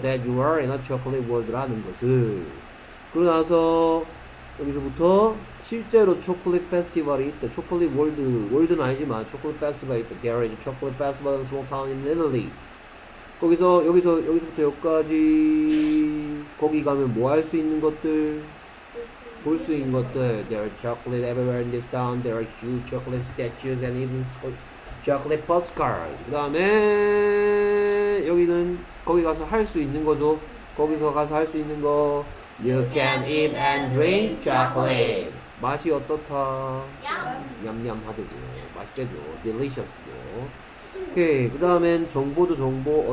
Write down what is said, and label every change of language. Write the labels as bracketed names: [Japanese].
[English] That you are in a chocolate world라는 것을. [Korean] 그러고 나서 여기서부터 실제로 초콜릿 페스티벌이 있다. 초콜릿 월드, 월드는 아니지만 초콜릿 페스티벌이 있다. [English] There is a chocolate festival in a small town in Italy. [Korean] 거기서 여기서부터 여기까지 거기 가면 뭐 할 수 있는 것들 볼 수 있는 것들. [English] There are chocolate everywhere in this town. There are huge chocolate statues and even chocolate postcards. [Korean] 그다음에 여기는 거기 가서 할 수 있는 거죠. 거기서 가서 할 수 있는 거. [English] You can eat and drink chocolate. [Korean] 맛이 어떻다? 냠냠하대죠. 맛있대죠. Delicious죠. 오케이. 그 다음엔 정보도 정보.